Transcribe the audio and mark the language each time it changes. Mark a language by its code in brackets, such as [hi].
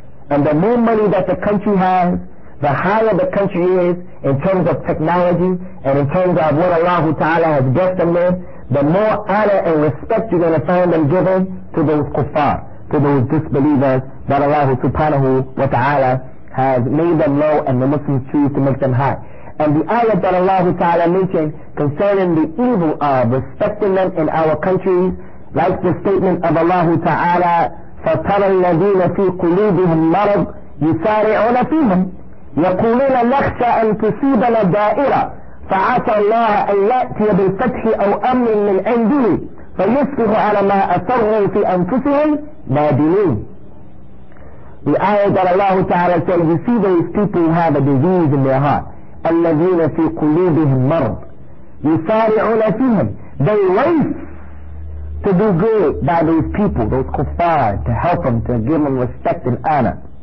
[en] And the more money that the country has, the higher the country is in terms of technology and in terms of what Allah Ta'ala has blessed them with, the more honor and respect you're going to find them giving to those kuffar, to those disbelievers that Allah subhanahu wa ta'ala has made them low and the Muslims choose to make them high. And the ayat that Allah Ta'ala mentioned concerning the evil of respecting them in our country, like the statement of Allah Ta'ala, [ar] فَتَرَى الَّذِينَ فِي قُلُوبِهِمْ مَرَضْ يُسَارِعُونَ فِيهِمْ يَقُولُونَ نَخْشَى أَنْ تُصِيبَنَا دَائِرَةٌ فَعَسَى اللَّهَ أَنْ يَأْتِيَ بِالْفَتْحِ أَوْ أَمْرٍ مِنْ عِنْدِهِ فَيُصْبِحُوا عَلَى مَا أَسَرُّوا فِي أَنْفُسِهِمْ نَادِمِينَ. [en] The ayah that Allah Ta'ala said, you see those people who have a disease in their heart. [ar] الَّذِينَ فِي قُلُوبِهِمْ مَرْضٌ يُسَارِعُونَ فِيهِمْ. [en] They race to do good by those people, those kuffar, to help them, to give them respect and honor.